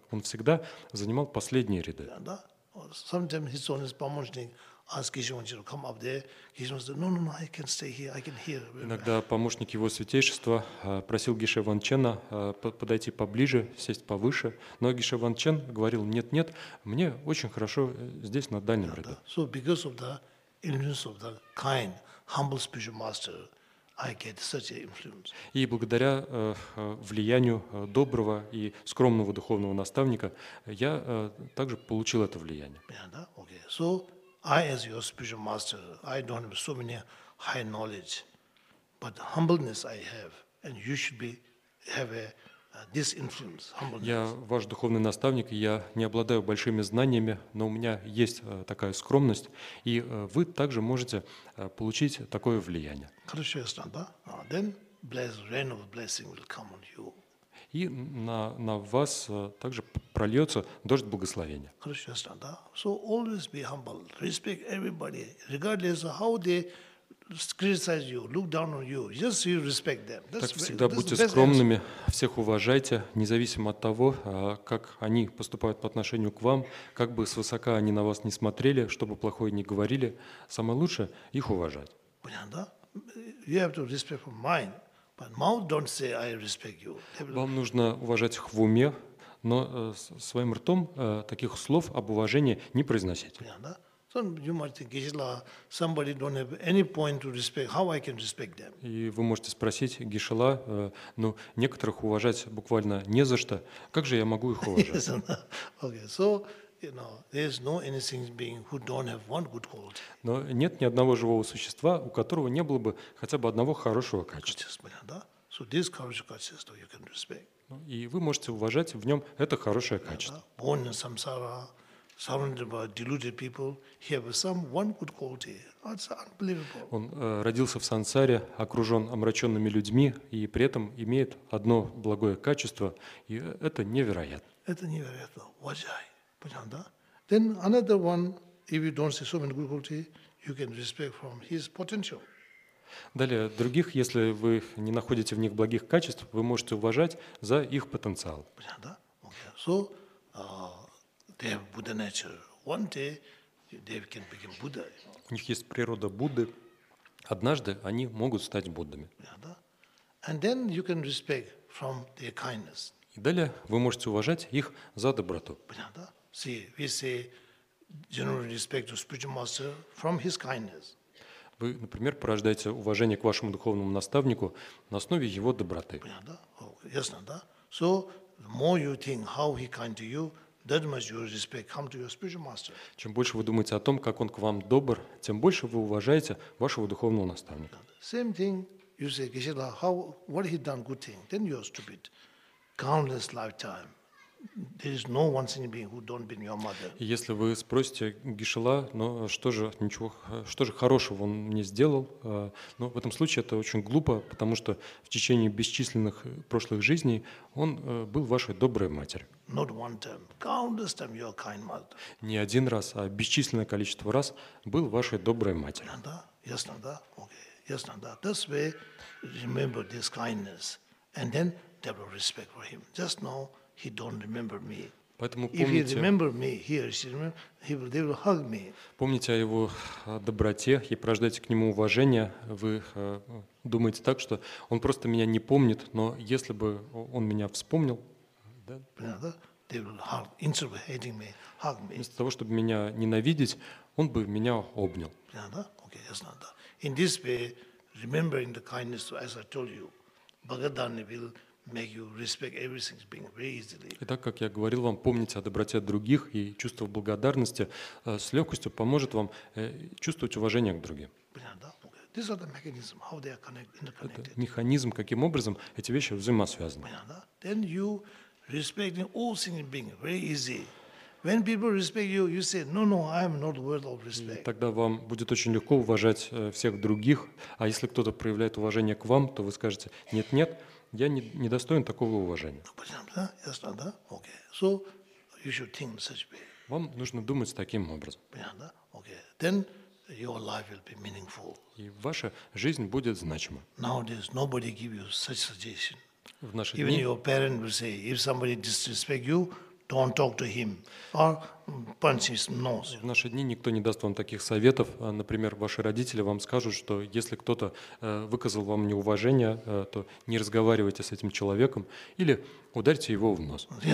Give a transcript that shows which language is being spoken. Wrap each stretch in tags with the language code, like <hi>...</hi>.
<ru>Он всегда занимал последние ряды. Иногда помощник его святейшества просил Гише Ван Чена подойти поближе, сесть повыше. Но Гише Ван Чен говорил: «Нет, мне очень хорошо здесь, на дальнем ряду».</ru> <en>So because of the influence of the kind, humble spiritual master, I get such an influence.</en> <ru>И благодаря влиянию доброго и скромного духовного наставника я также получил это влияние.</ru> <en>So I, as your spiritual master, I don't have so many high knowledge, but humbleness I have, and you should be have a this influence, humbleness.</en> <ru>Я ваш духовный наставник, и я не обладаю большими знаниями, но у меня есть такая скромность, и вы также можете получить такое влияние. Хорошо, я стану, да?</ru> <en>Then bless, rain of blessing will come on you.</en> <ru>И на вас также прольется дождь благословения. Хорошо, я стану, да?</ru> <en>So always be humble, respect everybody, regardless of how they criticize you, look down on you. Just you respect them.</en> <ru>Так всегда будьте скромными, всех уважайте, независимо от того, как они поступают по отношению к вам, как бы свысока они на вас не смотрели, что бы плохое ни говорили, самое лучшее – их уважать. Понятно, да?</ru> <en>You have to respect for mind, but mouth don't say I respect you.</en> <ru>Вам нужно уважать их в уме, но своим ртом таких слов об уважении не произносить. Понятно, да?</ru> <en>So you might think, Geshe-la, somebody don't have any point to respect. How I can respect them?</en> <ru>И вы можете спросить Geshe-la, ну некоторых уважать буквально не за что. Как же я могу их уважать?</ru> <en>Okay, so you know, there's no anything being who don't have one good quality.</en> <ru>Но нет ни одного живого существа, у которого не было бы хотя бы одного хорошего качества. Да?</ru> <en>So this</en> <ru>хорошее качество</ru> <en>you can respect.</en> <ru>И вы можете уважать в нем это хорошее качество.</ru> <en>Born in samsara. Surrounded by deluded people, he has some one good quality. That's unbelievable.</en> <ru>Он родился в сансаре, окружен омраченными людьми, и при этом имеет одно благое качество, и это невероятно. Это невероятно. Уважай. Понятно, да?</ru> <en>Then another one, if you don't see so many good quality, you can respect from his potential.</en> <ru>Далее, других, если вы не находите в них благих качеств, вы можете уважать за их потенциал. Понятно, да?</ru> <en>Okay. So, they have Buddha nature. One day they can become Buddha.</en> <ru>У них есть природа Будды. Однажды они могут стать Буддами.</ru> <en>And then you can respect from their kindness.</en> <ru>И далее вы можете уважать их за доброту. Понятно?</ru> <en>See, we say general respect to spiritual master from his kindness.</en> <ru>Вы, например, порождаете уважение к вашему духовному наставнику на основе его доброты. Понятно? Ясно, да?</ru> <en>So the more you think how he kind to you, that much your respect come to your spiritual master.</en> <ru>Чем больше вы думаете о том, как он к вам добр, тем больше вы уважаете вашего духовного наставника.</ru> <en>Same thing, you say, Geshe-la, how, what he done good thing? Then you are stupid. Countless lifetime, there is no one single being who don't been your mother.</en> <ru>Если вы спросите Geshe-la, но что же ничего, что же хорошего он мне сделал? Но в этом случае это очень глупо, потому что в течение бесчисленных прошлых жизней он был вашей доброй матерью.</ru> <en>Not one time, countless time you are kind mother.</en> <ru>Не один раз, а бесчисленное количество раз был вашей доброй матерью. Да, ясно, да, окей, ясно, да.</ru> <en>This way, remember this kindness, and then they will respect for him. Just know he don't remember me.</en> <ru>Поэтому</ru> <en>if he remember me, he will hug me.</en> <ru>Помните о его доброте и порождайте к нему уважение. Вы думаете так, что он просто меня не помнит, но если бы он меня вспомнил.</ru> <en>They will hug, instead of hating me, hug me.</en> <ru>Вместо того, чтобы меня ненавидеть, он бы меня обнял.</ru> <en>Okay, yes, not that. In this way, remembering the kindness, as I told you, Bhagadhani will make you respect everything being very easily.</en> <ru>Итак, как я говорил вам, помните о доброте других и чувство благодарности с легкостью поможет вам чувствовать уважение к другим.</ru> <en>These are the mechanism how they are interconnected.</en> <ru>Это механизм, каким образом эти вещи взаимосвязаны.</ru> <en>Then you respecting all single beings very easy. When people respect you, you say, no, I am not worthy of respect.</en> <ru>Тогда вам будет очень легко уважать всех других, а если кто-то проявляет уважение к вам, то вы скажете, нет, я не достоин такого уважения. Понятно, да? Ясно, да?</ru> <en>Okay. So you should think such way.</en> <ru>Вам нужно думать таким образом. Понятно, да?</ru> <en>Okay. Then your life will be meaningful.</en> <ru>И ваша жизнь будет значима.</ru> <en>Nowadays nobody gives you such suggestion.</en> <ru>В наши</ru> <en>Even</en> <ru>дни...</ru> <en>your parents will say, if somebody disrespects you, don't talk to him or punch his nose.</en> <ru>В наши дни никто не даст вам таких советов. Например, ваши родители вам скажут, что если кто-то выказал вам неуважение, то не разговаривайте с этим человеком или ударьте его в нос.</ru>